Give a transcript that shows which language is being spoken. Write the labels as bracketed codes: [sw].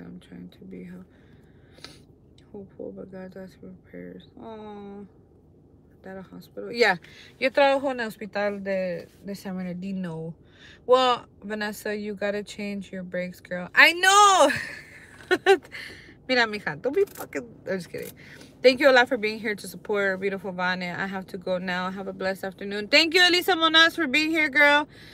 [en] I'm trying to be hopeful, but God asks for prayers. Oh, that a hospital? Yeah. [es] Yo trabajo en el hospital de San Bernardino. [en] Well, Vanessa, you gotta change your brakes, girl. I know! [es] Mira, mija, [en] don't be fucking... I'm just kidding. Thank you a lot for being here to support beautiful Vane. I have to go now. Have a blessed afternoon. Thank you, Elisa Monaz, for being here, girl.